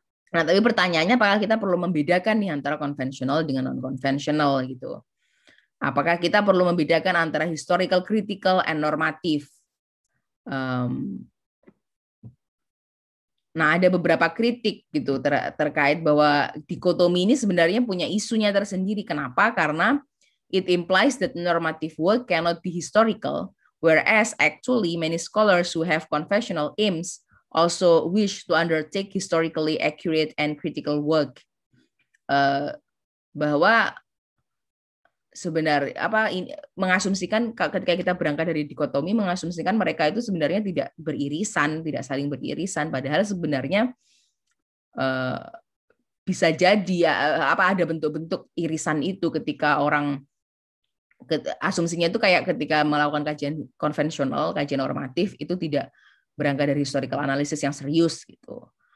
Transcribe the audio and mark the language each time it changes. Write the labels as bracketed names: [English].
[Indonesian] Nah, tapi pertanyaannya apakah kita perlu membedakan nih antara konvensional dengan non-konvensional gitu. Apakah kita perlu membedakan antara [English] historical, critical, and normative? [Indonesian] Ada beberapa kritik gitu terkait bahwa dikotomi ini sebenarnya punya isunya tersendiri. Kenapa? [English] Karena it implies that normative work cannot be historical, whereas actually many scholars who have confessional aims also wish to undertake historically accurate and critical work. [Indonesian] Bahwa sebenarnya mengasumsikan ketika kita berangkat dari dikotomi, mengasumsikan mereka itu sebenarnya tidak beririsan, tidak saling beririsan, padahal sebenarnya bisa jadi ada bentuk-bentuk irisan itu ketika orang asumsinya itu kayak ketika melakukan kajian konvensional, kajian normatif itu tidak berangkat dari historical analysis yang serius gitu.